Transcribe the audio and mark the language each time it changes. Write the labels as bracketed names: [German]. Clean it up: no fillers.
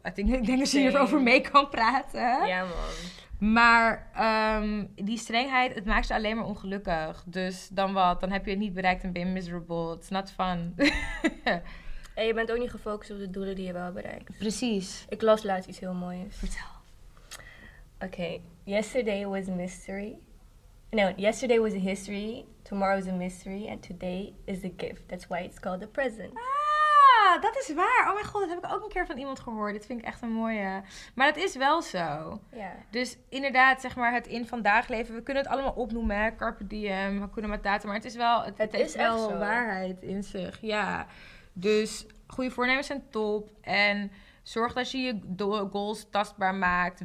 [Dutch] Ik denk dat je erover mee kan praten. Ja, man. Maar die strengheid, het maakt je alleen maar ongelukkig. Dus dan wat? Dan heb je het niet bereikt en ben je miserable. [English] It's not fun. [Dutch] En je bent ook niet gefocust op de doelen die je wel bereikt. Precies. Ik las laatst iets heel moois. Vertel. Okay. [English] Yesterday was a mystery. No, yesterday was a history. Tomorrow is a mystery. And today is a gift. That's why it's called a present. [Dutch] Ah! Dat is waar. Oh mijn god, dat heb ik ook een keer van iemand gehoord. Dat vind ik echt een mooie. Maar dat is wel zo. [English] Yeah. [Dutch] Dus inderdaad, zeg maar, het in vandaag leven. We kunnen het allemaal opnoemen, hè? Carpe diem, Hakuna Matata. Maar het is wel... Het is wel echt waarheid in zich, ja. Dus goede voornemens zijn top. En zorg dat je je goals tastbaar maakt.